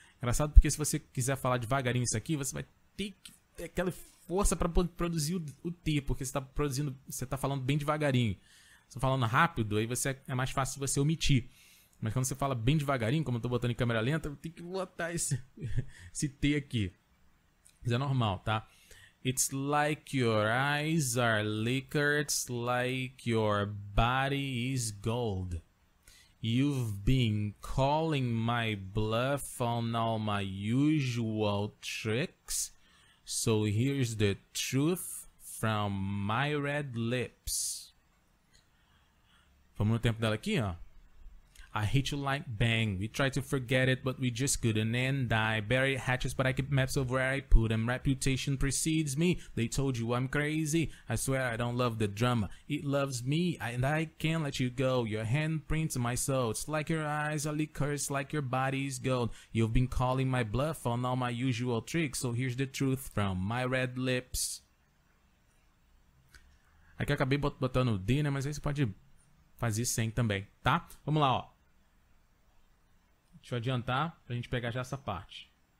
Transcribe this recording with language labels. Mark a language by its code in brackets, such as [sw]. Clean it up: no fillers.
[pt] Engraçado porque se você quiser falar devagarinho isso aqui, você vai ter que ter aquela força para produzir o T, porque você tá produzindo, você tá falando bem devagarinho. Se tá falando rápido, aí você é mais fácil você omitir. Mas quando você fala bem devagarinho, como eu tô botando em câmera lenta, tem que botar esse T aqui. Mas é normal, tá? [en] It's like your eyes are liquor, it's like your body is gold. You've been calling my bluff on all my usual tricks. So here's the truth from my red lips. [pt] Vamos no tempo dela aqui, ó. [en] I hit you like bang. We tried to forget it, but we just couldn't. And I bury hatches, but I keep maps of where I put them. Reputation precedes me. They told you I'm crazy. I swear I don't love the drama. It loves me, and I can't let you go. Your hand prints my soul. It's like your eyes are liquors, like your body's gold. You've been calling my bluff on all my usual tricks. So here's the truth from my red lips. [pt] Aqui acabei botando o D, né? Mas aí você pode fazer sem também, tá? Vamos lá, ó. Deixa eu adiantar pra gente pegar já essa parte.